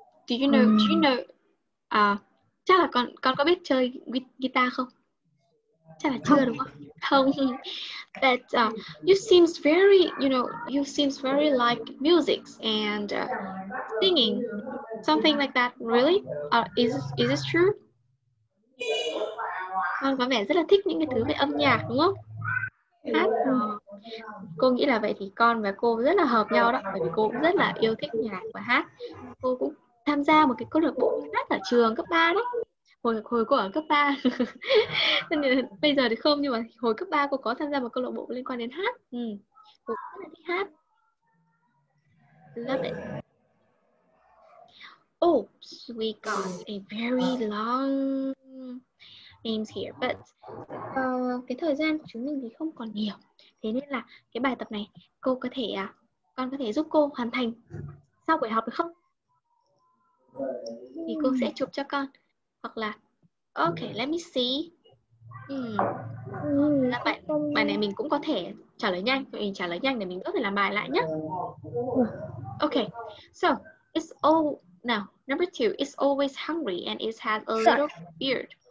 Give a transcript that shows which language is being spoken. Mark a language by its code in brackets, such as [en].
[en] Do you know [vi] chắc là con có biết chơi guitar không? Chắc là chưa đúng không? Không. [en] But you seems very, you know, you seems very like music and singing, something like that. Really? Is it true? [vi] Con có vẻ rất là thích những cái thứ về âm nhạc đúng không? Hát. Cô nghĩ là vậy thì con và cô rất là hợp nhau đó, bởi vì cô cũng rất là yêu thích nhạc và hát. Cô cũng tham gia một cái câu lạc bộ hát ở trường cấp 3 đấy. Hồi cô ở cấp 3. Bây giờ thì không, nhưng mà hồi cấp 3 cô có tham gia một câu lạc bộ liên quan đến hát. Ừ. Cô rất là thích hát. [en] Love it. Oops, we got a very long names here, but [vi] cái thời gian của chúng mình thì không còn nhiều. Thế nên là cái bài tập này cô có thể con có thể giúp cô hoàn thành sau buổi học được không? Thì cô sẽ chụp cho con. Hoặc là [en] okay, let me see. [vi] Là bài này mình cũng có thể trả lời nhanh, mình trả lời nhanh để mình có thể làm bài lại nhé. [en] Okay. So, it's all now. Number two, it's always hungry and it has a little beard.